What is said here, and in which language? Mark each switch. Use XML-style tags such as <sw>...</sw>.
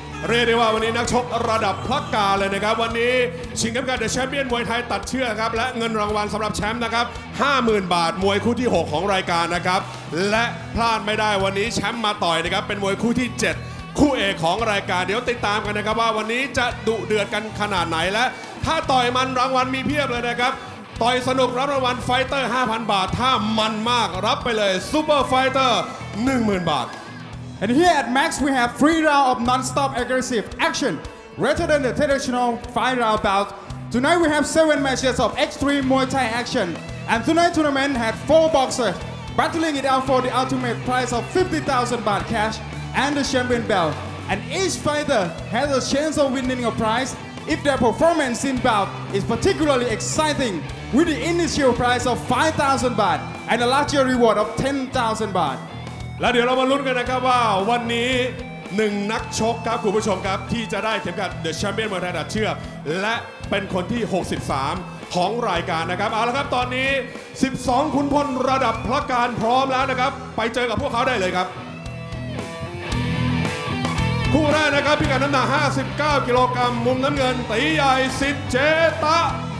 <th>เรียกได้ว่าวันนี้นักชกระดับพระกาเลยนะครับวันนี้ชิงเข็มขัด The Champion มวยไทยตัดเชือกครับและเงินรางวัลสำหรับแชมป์นะครับ 50,000 บาทมวยคู่ที่6ของรายการนะครับและพลาดไม่ได้วันนี้แชมป์มาต่อยนะครับเป็นมวยคู่ที่7คู่เอกของรายการเดี๋ยวติดตามกันนะครับว่าวันนี้จะดุเดือดกันขนาดไหนและถ้าต่อยมันรางวัลมีเพียบเลยนะครับต่อยสนุกรับรางวัลไฟเตอร์ 5,000 บาทถ้ามันมากรับไปเลยซูเปอร์ไฟเตอร์ 10,000 บาท</th> <en>And here at Max we have 3 rounds of non-stop aggressive action rather than the traditional 5 round bout Tonight we have 7 matches of extreme Muay Thai action And tonight tournament had 4 boxers battling it out for the ultimate prize of 50,000 baht cash and the champion belt And each fighter has a chance of winning a prizeIf their performance in bout is particularly exciting, with the initial prize of 5,000 baht and a larger reward of 10,000 baht.</en> <th>และเดี๋ยวเรามาลุ้นกันนะครับว่าวันนี้หนึ่งนักชกครับคุณผู้ชมครับที่จะได้เข็มขัด The Champion มวยไทยตัดเชือกและเป็นคนที่63ของรายการนะครับเอาละครับตอนนี้12ขุนพลระดับพระการพร้อมแล้วนะครับไปเจอกับพวกเขาได้เลยครับคู่แรกนะครับพิกัดน้ำหนัก59กิโลกรัมมุมน้ำเงินตีใหญ่สิทธิ์เจตะ</th>